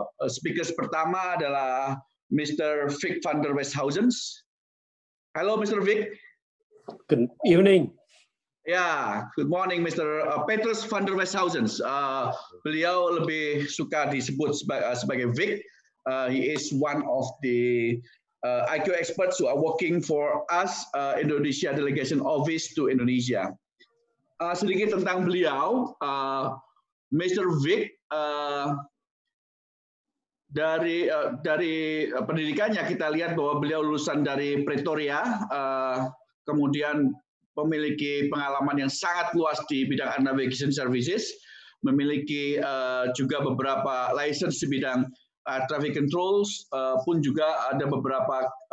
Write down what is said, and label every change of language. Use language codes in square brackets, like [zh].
[id] Speakers pertama adalah Mr. [en] Vic van der Westhuizen. Hello, Mr. Vic. Good evening. Yeah, good morning, Mr. Petrus van der Westhuizen. [id] Beliau lebih suka disebut sebagai Vic. [en] He is one of the IQ experts who are working for us, Indonesia Delegation Office to Indonesia. [id] Sedikit tentang beliau, Mr. Vic, dari pendidikannya kita lihat bahwa beliau lulusan dari Pretoria, kemudian memiliki pengalaman yang sangat luas di bidang air navigation services, memiliki juga beberapa license di bidang traffic controls, pun juga ada beberapa